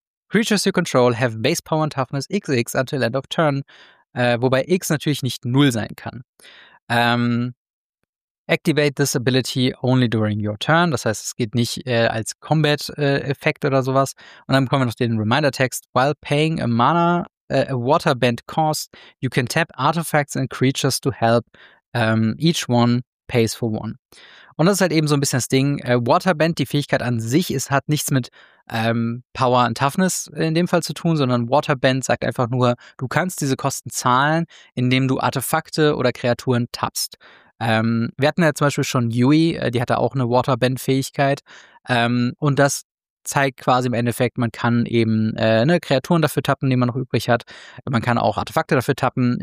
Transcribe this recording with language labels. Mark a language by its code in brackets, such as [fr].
[en] Creatures you control have base power and toughness XX until end of turn, [de] wobei X natürlich nicht 0 sein kann. [en] Activate this ability only during your turn. [de] Das heißt, es geht nicht als Combat-Effekt oder sowas. Und dann bekommen wir noch den Reminder-Text. [en] While paying a mana, a waterbend cost, you can tap artifacts and creatures to help. Each one pays for one. [de] Und das ist halt eben so ein bisschen das Ding. Waterbend, die Fähigkeit an sich, hat nichts mit Power and Toughness in dem Fall zu tun, sondern Waterbend sagt einfach nur, du kannst diese Kosten zahlen, indem du Artefakte oder Kreaturen tappst. Wir hatten ja zum Beispiel schon Yui, die hatte auch eine Waterbend-Fähigkeit und das zeigt quasi im Endeffekt, man kann eben Kreaturen dafür tappen, die man noch übrig hat, man kann auch Artefakte dafür tappen.